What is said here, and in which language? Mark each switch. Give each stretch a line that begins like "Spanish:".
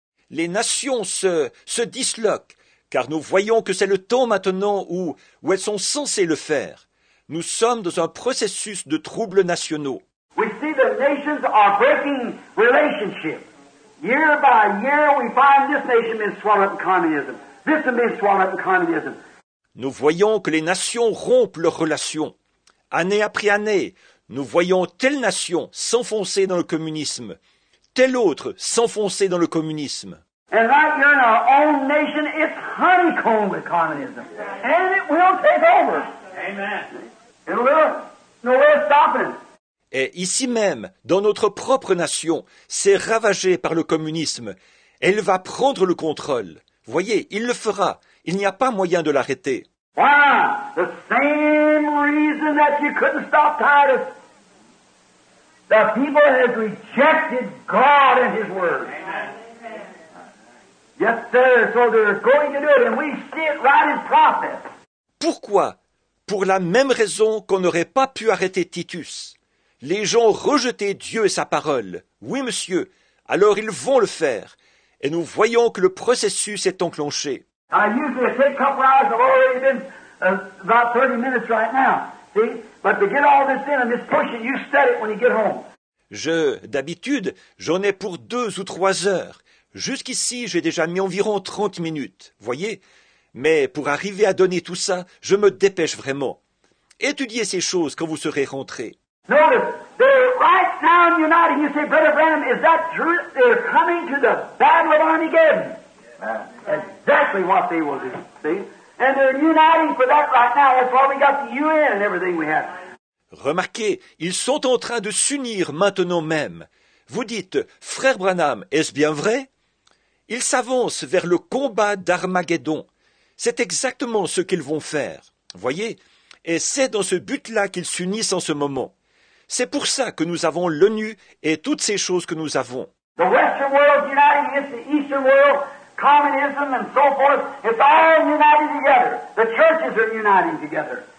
French: Les nations se disloquent, car nous voyons que c'est le temps maintenant où elles sont censées le faire. Nous sommes dans un processus de troubles nationaux.
English: We see the nations are breaking relationships. Year by year, we find this nation being swallowed up in communism. This one being swallowed up in communism.
French: Nous voyons que les nations rompent leurs relations. Année après année, nous voyons telle nation s'enfoncer dans le communisme. Tel autre s'enfoncer dans le communisme.
English: And right here in our own nation, it's honeycombed with communism. And it will take over. Amen. It will. No way of stopping.
French: Et ici même, dans notre propre nation, c'est ravagé par le communisme. Elle va prendre le contrôle. Voyez, il le fera. Il n'y a pas moyen de l'arrêter.
English: Why? The same reason that you couldn't stop Titus. The people have rejected God and His Word. Amen. Yes, sir, so they're going to do it, and we see it right in process.
French: Pourquoi? Pour la même raison qu'on n'aurait pas pu arrêter Titus. Les gens rejetaient Dieu et sa parole. Oui, monsieur, alors ils vont le faire. Et nous voyons que le processus est enclenché.
English: I usually take a couple hours, I've already been about 30 minutes right now. See? But to get all this in and just push it, you set it when you get home.
French: D'habitude, j'en ai pour 2 ou 3 heures. Jusqu'ici, j'ai déjà mis environ 30 minutes, voyez. Mais pour arriver à donner tout ça, je me dépêche vraiment. Étudiez ces choses quand vous serez rentré.
English: Notice, they're right now in uniting, you say, Brother Branham, is that true? They're coming to the Battle of Armageddon. Exactly what they will do, see? And they're uniting for that right now. That's why we got the UN and everything we have.
French: Remarquez, ils sont en train de s'unir maintenant même. Vous dites, Frère Branham, est-ce bien vrai? Ils s'avancent vers le combat d'Armageddon. C'est exactement ce qu'ils vont faire. Voyez, et c'est dans ce but-là qu'ils s'unissent en ce moment. C'est pour ça que nous avons l'ONU et toutes ces choses que nous avons.
English: The Western world united against the Eastern world, communism and so forth. It's all united together. The churches are uniting together.